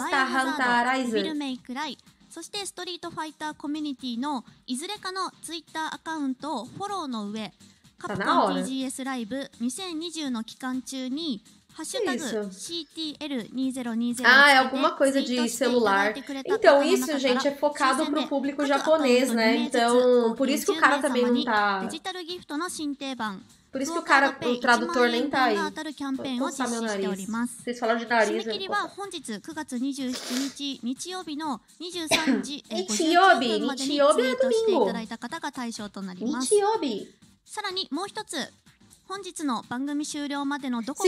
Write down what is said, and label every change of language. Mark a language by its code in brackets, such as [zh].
[ja] モンスターハンターライズ、デビルメイクライ、そしてストリートファイターコミュニティのいずれかのツイッターアカウントをフォローの上、カプコン TGS ライブ2020の期間中にハッシュタグ CTL2020 [pt] é alguma coisa de celular. Então isso, gente, é focado pro público japonês, né? Então, por isso que o cara também não tá... [ja] Digital gift の新定番。 [pt] Por isso que o cara, o tradutor nem tá aí. Vou botar meu nariz. Vocês falaram de nariz, né? [ja] 締め切りは本日9月27日、日曜日の23 時、日曜日、日曜日はドミンゴ。ツイートしていただいた方が対象となります。日曜日。さらにもう一つ。本日の番組終了までのどこか